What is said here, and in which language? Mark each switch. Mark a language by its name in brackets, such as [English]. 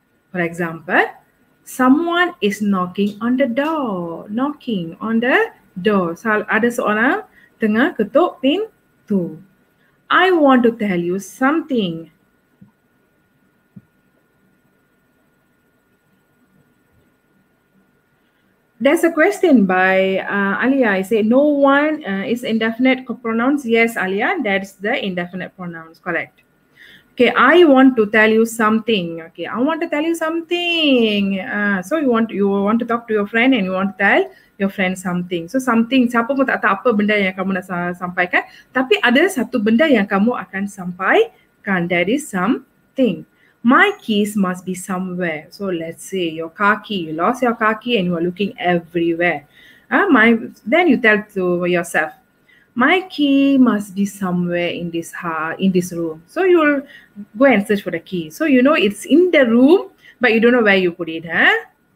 [English] For example, someone is knocking on the door. Knocking on the door. [Malay] So, ada seorang tengah ketuk pintu. [English] I want to tell you something. There's a question by Alia. I say no one is indefinite pronouns. Yes, Alia, that's the indefinite pronouns. Correct. Okay, I want to tell you something. Okay, I want to tell you something. So you want to talk to your friend and you want to tell your friend something. So something, [Malay] siapa pun tak tahu apa benda yang kamu nak sampaikan. Tapi ada satu benda yang kamu akan sampaikan. [English] That is something. My keys must be somewhere. So let's say your car key, you lost your car key and you are looking everywhere. Then you tell to yourself, my key must be somewhere in this room. So you'll go and search for the key. So you know it's in the room, but you don't know where you put it, huh?